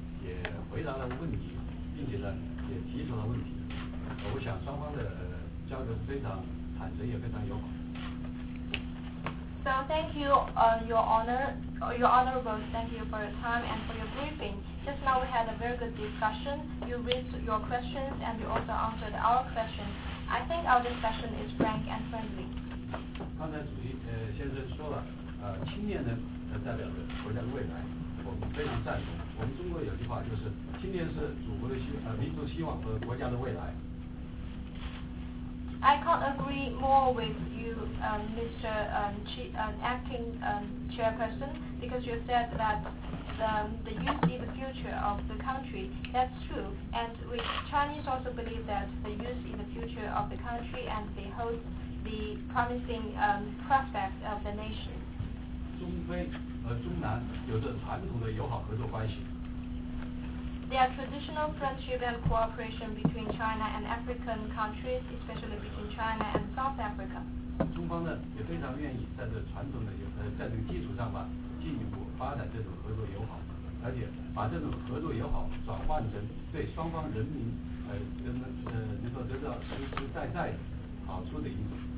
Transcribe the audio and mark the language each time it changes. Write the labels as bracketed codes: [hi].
[zh] 也回答了问题，并且呢也提出了问题，我想双方的交流非常坦诚，也非常友好。 [en] So thank you, your honorable, thank you for your time and for your briefing. Just now we had a very good discussion. You raised your questions and you also answered our questions. I think our discussion is frank and friendly. [zh] 刚才主席先生说了，青年人代表着国家的未来，我们非常赞同。我们中国有句话，就是青年是祖国的民族希望和国家的未来。 [en] I can't agree more with you, acting chairperson, because you said that the youth is the future of the country. That's true, and we Chinese also believe that the youth is the future of the country, and they hold the promising prospect of the nation. [zh] 中非和中南有着传统的友好合作关系。 [en] There are traditional friendship and cooperation between China and African countries, especially between China and South Africa. [zh] 中方呢也非常愿意在这传统的在这个基础上吧，进一步发展这种合作友好，而且把这种合作友好转换成对双方人民能够得到实实在在好处的一种